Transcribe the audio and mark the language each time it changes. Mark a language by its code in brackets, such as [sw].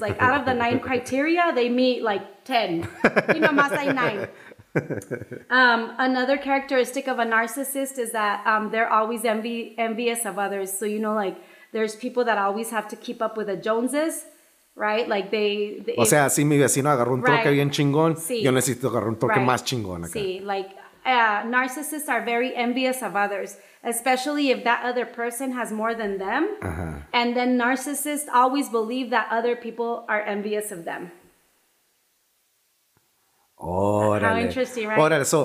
[en] Like out of the 9 criteria, they meet like 10. You know, masay 9. Another characteristic of a narcissist is that they're always envious of others. So, you know, like there's people that always have to keep up with the Joneses, right? Like [es] si mi vecino agarró un troque bien chingón, yo necesito agarrar un troque más chingón acá. [en] Sí, like narcissists are very envious of others, especially if that other person has more than them. Uh-huh. And then narcissists always believe that other people are envious of them. [es] Órale. [en] How interesting, right? [es] Órale.